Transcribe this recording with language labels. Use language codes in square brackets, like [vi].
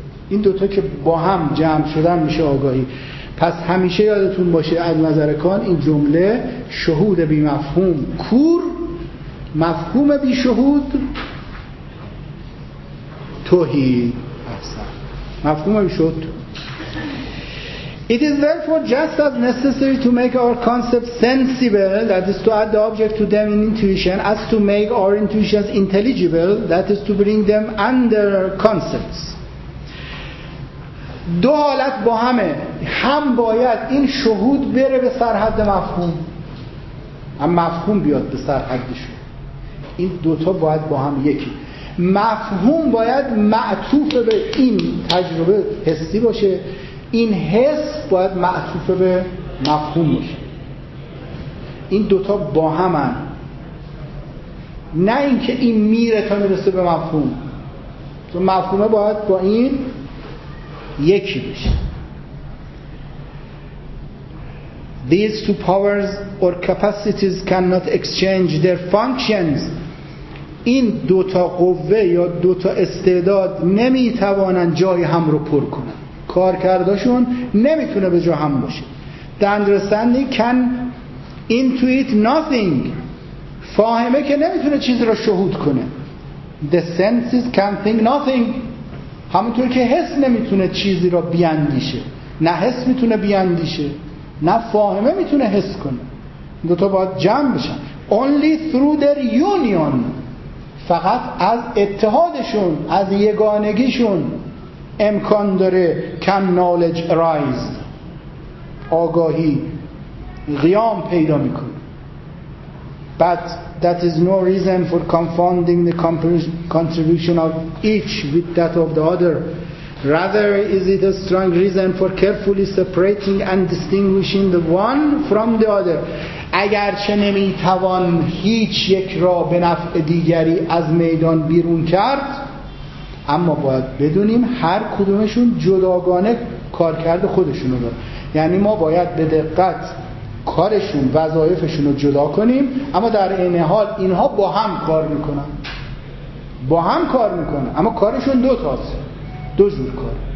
[fa] این دوتا که با هم جمع شدن میشه آگاهی. پس همیشه یادتون باشه از نظر کان این جمله شهود بی مفهوم کور، مفهوم بی شهود توهی هستن. مفهوم بی شهود [en] It is therefore just as necessary to make our concepts sensible, that is to add the object to them in intuition, as to make our intuitions intelligible, that is to bring them under concepts. [fa] دو حالت با همه، هم باید این شهود بره به سرحد مفهوم، هم مفهوم بیاد به سرحدشو. این دوتا باید با هم یکی. مفهوم باید معطوف به این تجربه حسی باشه، این حس باید معطوف به مفهوم باشه. این دوتا با هم هن. نه اینکه این میره تا میرسه به مفهوم، تو مفهومه باید با این یکی بشه. [en] These two powers or capacities cannot exchange their functions. [fa] این دوتا قوه یا دوتا استعداد نمیتوانن جای هم رو پر کنن، کارکرداشون نمیتونه به جا هم باشه. [en] The understanding can intuit nothing. [fa] فاهمه که نمیتونه چیز رو شهود کنه. [en] The senses can think nothing. [fa] همونطور که حس نمیتونه چیزی رو بیاندیشه، نه حس میتونه بیاندیشه، نه فاهمه میتونه حس کنه. دوتا باید جمع بشن. [en] Only through their union. [fa] فقط از اتحادشون، از یگانگیشون امکان داره [en] can knowledge arise، [fa] آگاهی قیام پیدا میکنه. [en] But that is no reason for confounding the contribution of each with that of the other. Rather is it a strong reason for carefully separating and distinguishing the one from the other. [fa] اگرچه نمیتوان هیچ یک را به نفع دیگری از میدان بیرون کرد، اما باید بدونیم هر کدومشون جداگانه کار کرده خودشونو داره. یعنی ما باید به دقت کارشون، وظایفشون رو جدا کنیم، اما در این حال اینها با هم کار میکنن، با هم کار میکنن، اما کارشون دو تاست، دو جور کار.